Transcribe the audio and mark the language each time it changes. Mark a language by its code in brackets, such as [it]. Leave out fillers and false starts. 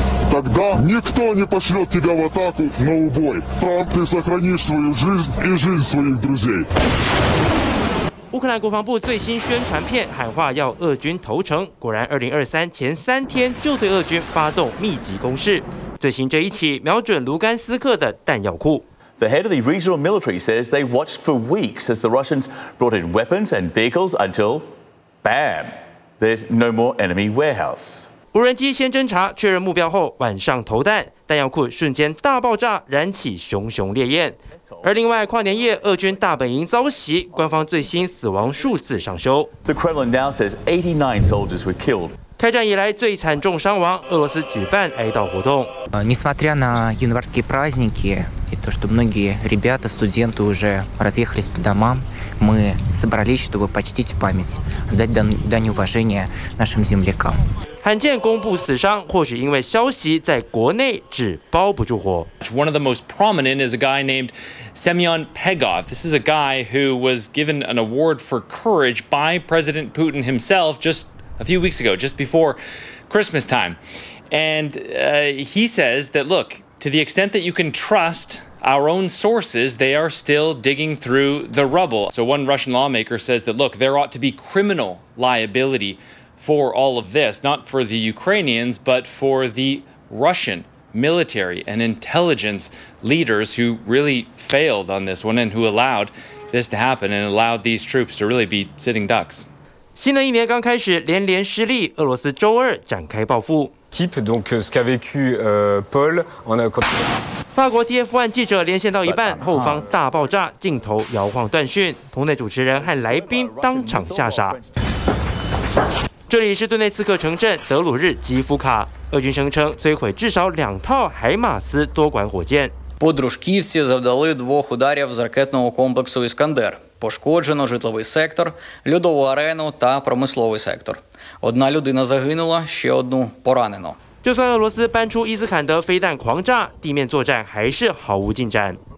[ru] Тогда никто не пошлет тебя в атаку на убой. Там ты сохранишь свою жизнь и жизнь своих друзей. [zh] 乌克兰国防部最新宣传片喊话要俄军投诚，果然2023前三天就对俄军发动密集攻势。最新这一起瞄准卢甘斯克的弹药库。 [en] The head of the regional military says they watched for weeks as the Russians brought in weapons and vehicles until, bam, there's no more enemy warehouse. [zh] 无人机先侦察确认目标后，晚上投弹，弹药库瞬间大爆炸，燃起熊熊烈焰。而另外，跨年夜俄军大本营遭袭，官方最新死亡数字上修。 [en] The Kremlin now says 89 soldiers were killed. [zh] 开战以来最惨重伤亡，俄罗斯举办哀悼活动。 [ru] Несмотря на январские праздники и то, что многие ребята, студенты уже разъехались по домам, мы собрались, чтобы почтить память, дать дань уважения нашим землякам. [zh] 罕见公布死伤，或许因为消息在国内纸包不住火。 [en] One of the most prominent is a guy named Semyon Pegov. This is a guy who was given an award for courage by President Putin himself just a few weeks ago, just before Christmas time. And he says that, look, to the extent that you can trust our own sources, they are still digging through the rubble. So one Russian lawmaker says that, look, there ought to be criminal liability. For all of this, not for the Ukrainians, but for the Russian military and intelligence leaders who really failed on this one and who allowed this to happen and allowed these troops to really be sitting ducks. [zh] 新的一年刚开始，连连失利，俄罗斯周二展开报复。 Keep donc ce qu'a vécu Paul en a. 法国 TF1 记者连线到一半，后方大爆炸，镜头摇晃断讯，棚内主持人和来宾当场吓傻。这里是顿内茨克城镇德鲁日基夫卡，俄军声称摧毁至少两套海马斯多管火箭。 [uk] Подружки всі завдали двох ударів з ракетного комплексу «Іскандер». Пошкоджено житловий сектор, льодову арену та промисловий сектор. Одна людина загинула, ще одну поранено. [zh] 就算俄罗斯搬出伊斯坎德飞弹狂炸，地面作战还是毫无进展。